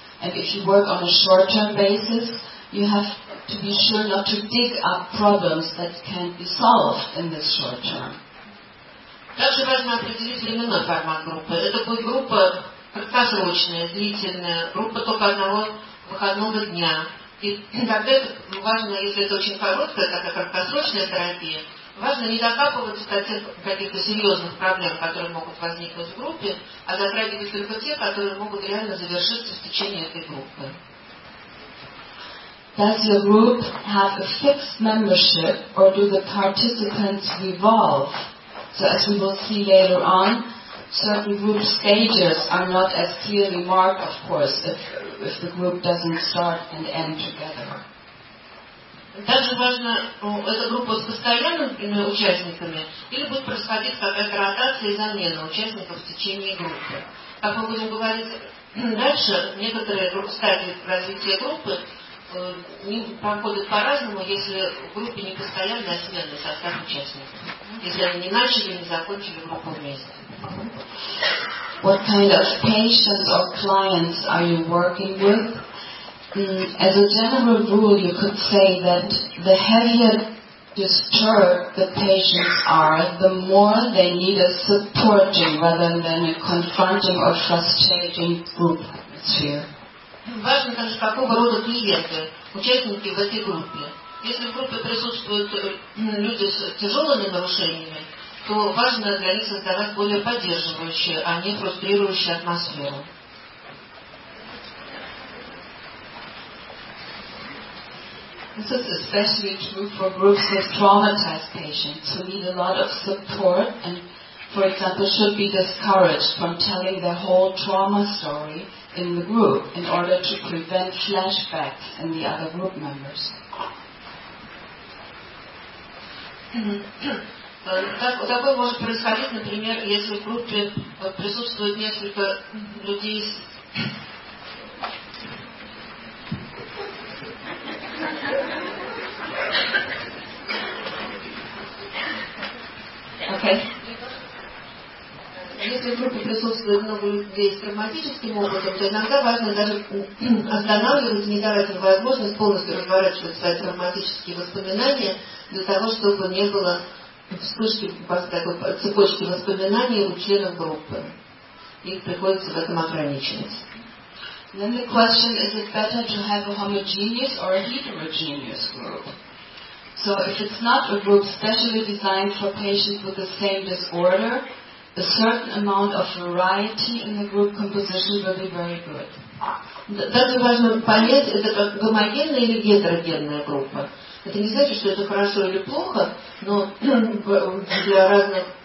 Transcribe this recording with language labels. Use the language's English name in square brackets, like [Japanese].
[English] And if you work on a short-term basis, you have to be sure not to dig up problems that can't be solved in this short term. [Russian] Также важно определить временной формат группы. Это будет группа краткосрочная, длительная, группа только одного выходного дня. И тогда важно, если это очень короткая, такая краткосрочная терапия, Важно не докапываться до тех каких-то серьезных проблем, которые могут возникнуть в группе, а затрагивать только те, которые могут реально завершиться в течение этой группы. [English] Does your group have a fixed membership or do the participants evolve? So as we will see later on, certain group stages are not as clearly marked, of course, if the group doesn't start and end together. [Russian] Также важно, эта группа с постоянными участниками или будет происходить какая-то ротация и замена участников в течение группы. Как мы будем говорить дальше, некоторые стадии развития группы проходят по-разному, если в группе не постоянная смена состав участников, если они не начали, не закончили группу вместе. [English] What kind of patients or clients are you working with? As a general rule, you could say that the heavier disturbed the patients are, the more they need a supporting rather than a confronting or frustrating group atmosphere. [Russian] Важно также, какого рода клиенты, участники в этой группе. Если в группе присутствуют люди с тяжелыми нарушениями, то важно для них создавать более поддерживающую, а не фрустрирующую атмосферу. [English] This is especially true for groups with traumatized patients who need a lot of support and, for example, should be discouraged from telling their whole trauma story in the group in order to prevent flashbacks in the other group members. [Russian] Такое может происходить, например, если в группе присутствует несколько людей с... [English] Okay. [Russian] Если в группе присутствует много людей с травматическим опытом, то иногда важно даже останавливать, не давать им возможность полностью разворачивать свои травматические воспоминания для того, чтобы не было вспышки, такой цепочки воспоминаний у членов группы. Их приходится в этом ограничивать. [English] Then the question, is it better to have a homogeneous or a heterogeneous group? So if it's not a group specially designed for patients with the same disorder, a certain amount of variety in the group composition will be very good. [Russian] Также важно понять, это гомогенная или гетерогенная группа. Это не значит, что это хорошо или плохо, но для разных...